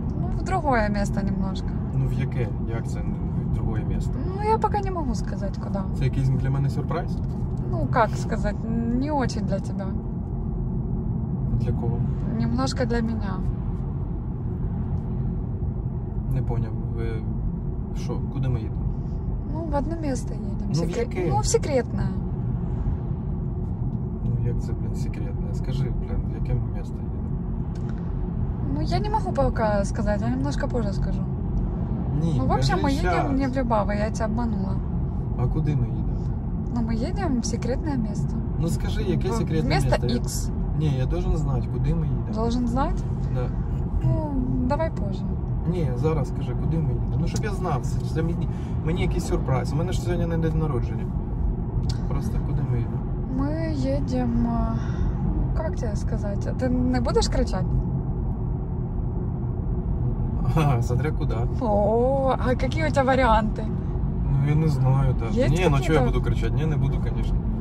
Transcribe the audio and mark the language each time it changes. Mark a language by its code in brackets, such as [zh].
[ru] Ну, в другое место немножко. [uk] Ну, в яке? Як це [ru] другое место? Ну, я пока не могу сказать, куда. [uk] Це якийсь для мене сюрприз? [ru] Ну, как сказать? Не очень для тебя. Для кого? Немножко для меня. Не понял. [uk] Що? Куди ми їдемо? Ну, в одне місто їдемо. Ну, в яке? Ну, в секретне. Як це, блін, секретне? Скажи, блін, в яке місто їде? Ну, я не можу поки сказати, я [ru] немножко позже [uk] скажу. Ні, ну, [ru] в общем, [uk] ми їдемо не в Любаву, я тебе обманула. А куди ми їдемо? Ну, ми їдемо в секретне місто. Ну, скажи, яке секретне місто? Місто X. Ні, я [ru] должен [uk] знати, куди ми їдемо. [ru] Должен [uk] знати? Да. Ну, давай позже. Ні, зараз скажи, куди ми їдемо. Ну, щоб я знав, це мені якийсь сюрприз. У мене ж сьогодні не день народження. Просто, куди ми їдемо? [ru] Мы едем, как тебе сказать, ты не будешь кричать? Ага, смотря куда. О, а какие у тебя варианты? Ну, я не знаю даже. Есть не, какие-то? Ну что я буду кричать? Не, не буду, конечно.